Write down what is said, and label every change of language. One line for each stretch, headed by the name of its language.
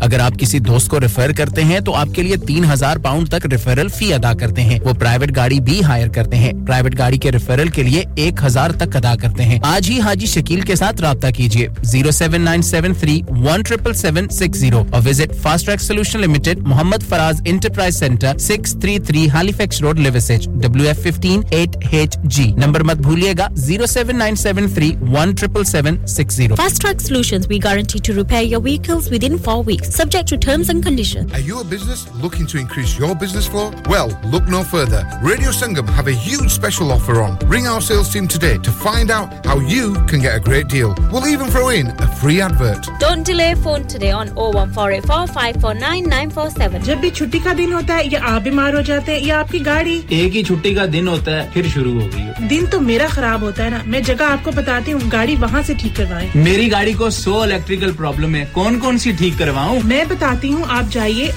Hindi: अगर आप किसी दोस्त को रेफर करते हैं तो आपके लिए 3000 पाउंड तक रेफरल फी अदा करते हैं वो प्राइवेट गाड़ी भी हायर करते हैं प्राइवेट गाड़ी के रेफरल के लिए 1000 तक अदा करते हैं आज ही हाजी शकील के साथ رابطہ कीजिए 07973177760
English: or visit Fast Track Solution Limited, Muhammad Faraz Enterprise Center, 633 Halifax Road, Liversedge, WF158HG.
Hindi: Number mat bhuliyega 07973177760.
English: Fast Track Solutions, we guarantee to repair your vehicles within 4 weeks, subject to terms and conditions. Are you a business looking to increase your business flow? Well, look no further. Radio Sangam have a huge special offer on. Ring our sales team today to find out how you can get a great deal. We'll even throw in a free advert. Don't delay phone today on 01484549947.
Hindi: जब भी छुट्टी का दिन होता है या आप बीमार हो जाते हैं या आपकी गाड़ी एक ही छुट्टी का दिन होता है फिर शुरू हो गई दिन तो मेरा खराब होता है ना मैं जगह आपको बताती हूं गाड़ी वहां से ठीक करवाएं मेरी गाड़ी को 100 इलेक्ट्रिकल प्रॉब्लम है कौन-कौन सी ठीक करवाऊं मैं बताती हूं आप जाइए